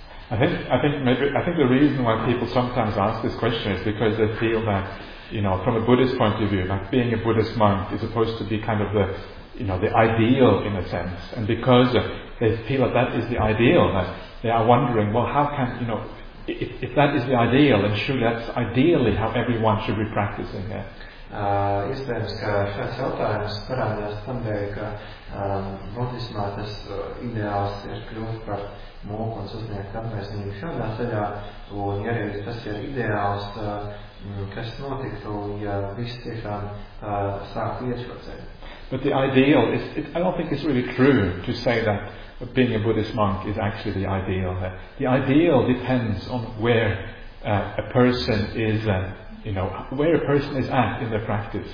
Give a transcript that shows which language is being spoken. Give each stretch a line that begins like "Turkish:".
English: I think the reason why people sometimes ask this question is because they feel that, you know, from a Buddhist point of view, like being a Buddhist monk is supposed to be kind of the, you know, the ideal in a sense. And because they feel that that is the ideal, that they are wondering, well, how can, you know, if that is the ideal, then surely that's ideally how everyone should be practicing it.
Latvian: Iespējams, ka šāds jautājums parādās tamdēļ, ka buddhismā tas ideāls ir kļūt par mūku un sasniegt apmaisnību šādā ceļā, un ja arī tas ir ideāls, kas notiktu, ja viss tiešām sāktu iet šo ceļu.
English: But the ideal, I don't think it's really true to say that being a Buddhist monk is actually the ideal. The ideal depends on where a person is you know, where a person is at in their practice.